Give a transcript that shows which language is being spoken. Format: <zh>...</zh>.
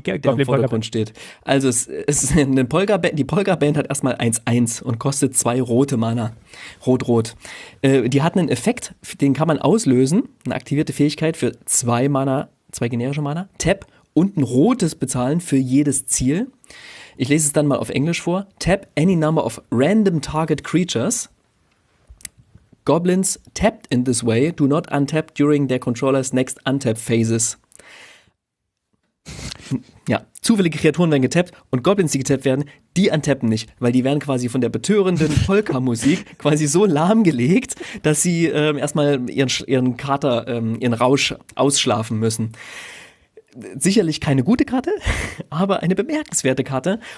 <de>Goblin Polka-Band? Der im Vordergrund steht. Also es ist eine Polka-Band, die Polka-Band hat erstmal 1-1 und kostet 2 rote Mana. Rot-Rot. Die hat einen Effekt, den kann man auslösen, eine aktivierte Fähigkeit für 2 Mana, 2 generische Mana, Tap, und ein rotes bezahlen für jedes Ziel. Ich lese es dann mal auf Englisch vor.</de> <en>Tap any number of random target creatures. Goblins tapped in this way do not untap during their controller's next untap phases.</en> <de>Ja, zufällige Kreaturen werden getappt und Goblins, die getappt werden, die untappen nicht, weil die werden quasi von der betörenden Polka-Musik quasi so lahmgelegt, dass sie erstmal ihren Rausch ausschlafen müssen. Sicherlich keine gute Karte, aber eine bemerkenswerte Karte.</de>